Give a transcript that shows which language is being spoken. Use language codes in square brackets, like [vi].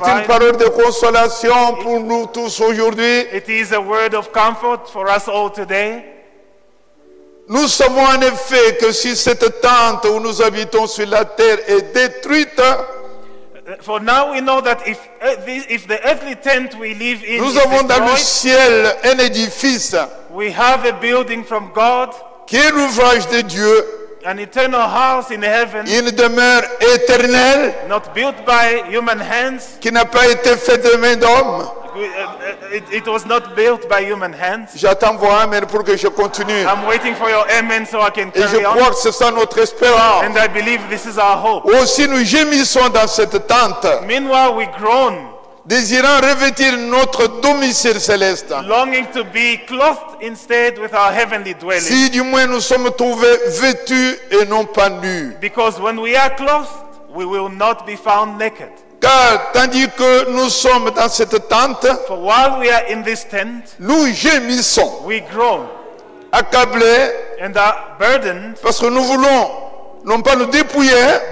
[fr] C'est une parole de consolation pour nous tous aujourd'hui. [en] It is a word of comfort for us all today. [fr] Nous savons en effet que si cette tente où nous habitons sur la terre est détruite, [en] for now we know that if the earthly tent we live in, [fr] nous avons dans le ciel un édifice. [en] We have a building from God. [fr] Qui est l'ouvrage de Dieu, [en] an eternal house in heaven, [fr] une demeure éternelle, [en] not built by human hands, [fr] qui n'a pas été faite de main d'homme. [en] It was not built by human hands. [fr] J'attends vos amen pour que je continue. [en] I'm waiting for your amen so I can carry [fr] et je crois que c'est ça notre espérance. [en] And I believe this is our hope. [fr] Aussi nous gémissons dans cette tente. [en] Meanwhile we groan. [fr] Désirant revêtir notre domicile céleste. [en] Longing to be clothed instead with our heavenly dwelling. [fr] Si du moins nous sommes trouvés vêtus et non pas nus. [en] Because when we are clothed, we will not be found naked. [fr] Car tandis que nous sommes dans cette tente, [en] for while we are in this tent, [fr] nous gémissons. [en] We groan. [fr] Accablés. [en] And are burdened. [fr] Parce que nous voulons non pas nous dépouiller,